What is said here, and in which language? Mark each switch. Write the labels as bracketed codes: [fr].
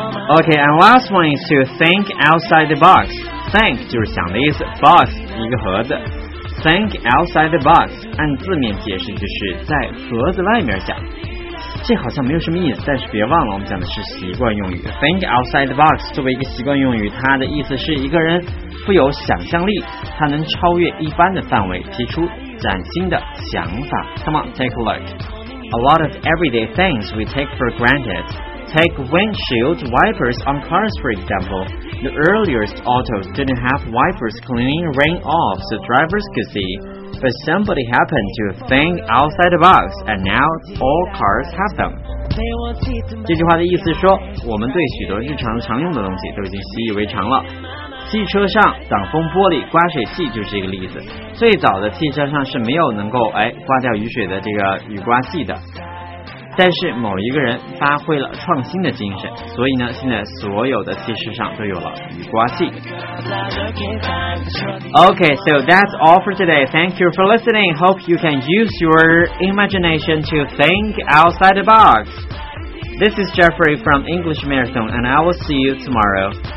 [en] OK, and last one is to think outside the box. [zh] Think 就是想的意思， box 一个盒子。 [en] Think outside the box, [zh] 按字面解释就是在盒子外面想。这好像没有什么意思，但是别忘了我们讲的是习惯用语。 [en] Think outside the box [zh] 作为一个习惯用语，它的意思是一个人富有想象力，他能超越一般的范围，提出崭新的想法。 [en] Come on, take a look. A lot of everyday things we take for granted. Take windshield wipers on cars, for example. The earliest autos didn't have wipers cleaning rain off so drivers could see. But somebody happened to think outside the box, and now all cars have them. [zh] 这句话的意思是说，我们对许多日常常用的东西都已经习以为常了。汽车上挡风玻璃刮水器就是一个例子。最早的汽车上是没有能够刮掉雨水的这个雨刮器的。但是某一个人发挥了创新的精神，所以呢，现在所有的汽车上都有了雨刮器。 [en] Okay, so that's all for today. Thank you for listening. Hope you can use your imagination to think outside the box. This is Jeffrey from English Marathon, and I will see you tomorrow.